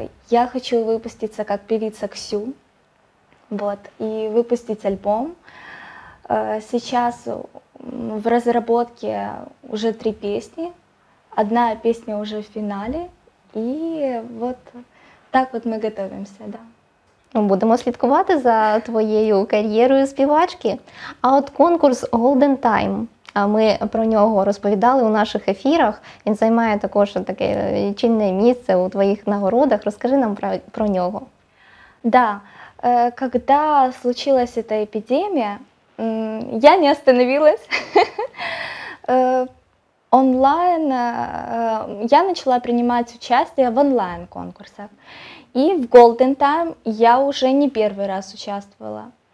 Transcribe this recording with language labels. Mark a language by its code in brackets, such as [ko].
[ru] Я хочу выпуститься как певица Ксю, вот, и выпустить альбом. Сейчас в разработке уже 3 песни, одна песня уже в финале, и вот так вот мы готовимся, да. [uk] Будемо слідкувати за твоєю кар'єрою співачки. А от конкурс «Golden Time». Ми про нього розповідали у наших ефірах. Він займає також таке чинне місце у твоїх нагородах. Розкажи нам про нього. [ru] Да, когда случилась эта эпидемия, я не остановилась. Онлайн я начала принимать участие в онлайн-конкурсах. И в Golden Time я уже не первый раз участвовала.